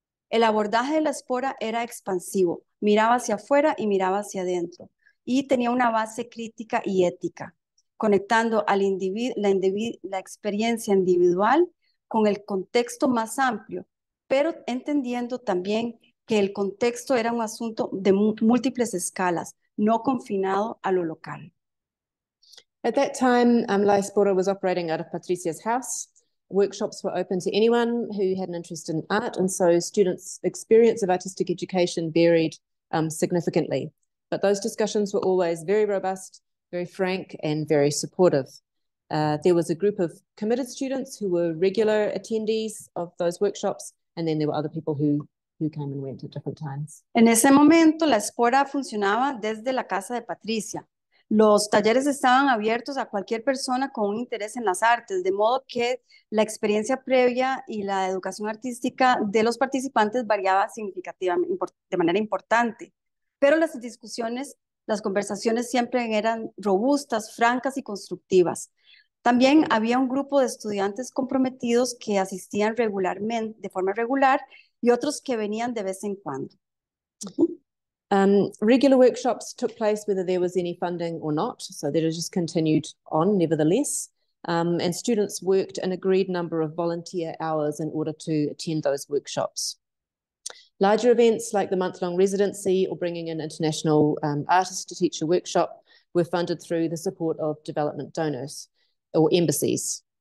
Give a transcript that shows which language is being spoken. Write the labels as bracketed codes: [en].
[es] El abordaje de la Espora era expansivo, miraba hacia afuera y miraba hacia adentro, y tenía una base crítica y ética, conectando al la experiencia individual con el contexto más amplio, pero entendiendo también que el contexto era un asunto de múltiples escalas, no confinado a lo local. [en] At that time, La Espora was operating out of Patricia's house. Workshops were open to anyone who had an interest in art, and so students' experience of artistic education varied significantly. But those discussions were always very robust, very frank, and very supportive. There was a group of committed students who were regular attendees of those workshops, and then there were other people who came and went at different times. [es] En ese momento, la Espora funcionaba desde la casa de Patricia. Los talleres estaban abiertos a cualquier persona con un interés en las artes, de modo que la experiencia previa y la educación artística de los participantes variaba significativamente, de manera importante. Pero las discusiones, las conversaciones siempre eran robustas, francas y constructivas. También había un grupo de estudiantes comprometidos que asistían regularmente, de forma regular, y otros que venían de vez en cuando. [en] Regular workshops took place whether there was any funding or not, so they just continued on nevertheless, and students worked an agreed number of volunteer hours in order to attend those workshops. Larger events like the month-long residency or bringing an international artist to teach a workshop were funded through the support of development donors or embassies.